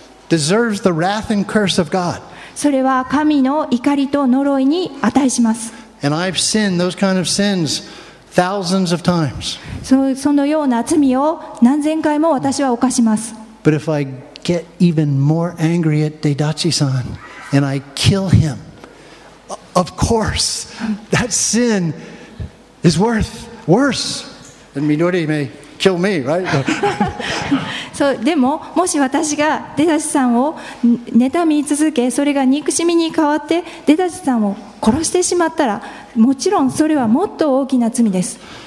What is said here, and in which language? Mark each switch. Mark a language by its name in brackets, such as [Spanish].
[English] Deserves the wrath and curse of God. [Japanese] それは神の怒りと呪いに値します。 [English] And I've sinned those kind of sins thousands of times. [Japanese] そのような罪を何千回も私は犯します。 [English] But if I get even more angry at Deidachi-san,And I kill him. Of course, that sin is worse than Midori may kill me, right? [Japanese] So, でももし私がデダチさんを妬み続け、それが憎しみに変わってデダチさんを殺してしまったら、もちろんそれはもっと大きな罪です。